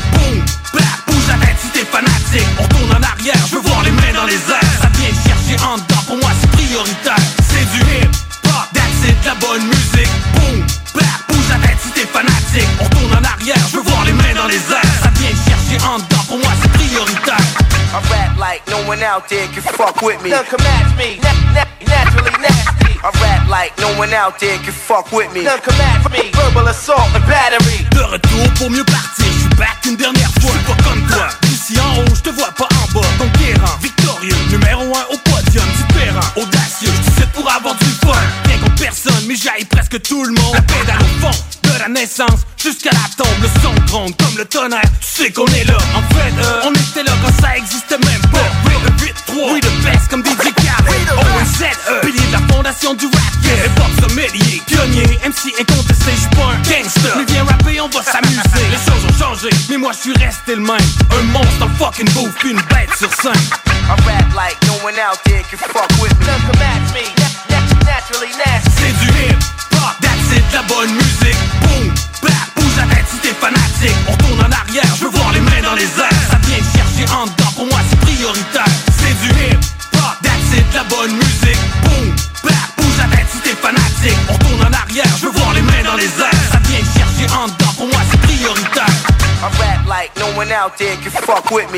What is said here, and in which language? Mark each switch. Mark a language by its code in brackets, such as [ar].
[fr] Boom, bap, bouge la tête si t'es fanatique. On retourne en arrière, je veux voir les mains dans les airs. Ça vient chercher en dedans, pour moi c'est prioritaire. C'est du hip-hop, [en] that's it, [fr] la bonne musique. Boom, bap, bouge la tête si t'es fanatique. On retourne en arrière, je veux voir les mains dans les airs. Ça vient chercher en dedans, pour moi c'est prioritaire. [en] I rap like no one out there can fuck with me. Look, match me, naturally nasty. I rap like no one out there can fuck with me. None come at me. Verbal assault and battery. [fr] De retour pour mieux partir, j'suis back une dernière fois. J'suis pas comme toi. D'ici en haut, j'te vois pas en bas. Conquérant, victorieux, numéro 1 au podium. Différent, audacieux, j'dis c'est pour avoir du fun. Rien contre personne, mais j'haïs presque tout le monde. La pédale au fond, de la naissance jusqu'à la tombe. Le son gronde comme le tonnerre, tu sais qu'on est là. En fait, on était là quand ça existait même pas. Le 8-3, oui, le best comme DJ Khaled. ONZE, pilier de la fondation du rap, yeah. Et Bob sommelier, pionnier, MC incontesté, j'suis pas un gangster. Mais viens rapper, on va s'amuser. Les choses ont changé, mais moi j'suis resté le même. Un monstre en fucking bouffe, une bête sur scène. [en] I rap like no one out there can fuck with me. None come at me, naturally nasty. [fr] C'est du hip-hop, [en] that's it, [fr] la bonne musique. Boom, bap, bouge la tête. On tourne en arrière, je veux voir les mains dans les airs. Ça vient de chercher en dedans, pour moi c'est prioritaire. C'est du hip hop, [en] that's it, [fr] la bonne musique. Boom, bap, bouge la tête si t'es fanatique. On tourne en arrière, je veux voir les mains dans les airs. Ça vient de chercher en dedans, pour moi c'est prioritaire. [en] I rap like no one out there can fuck with me.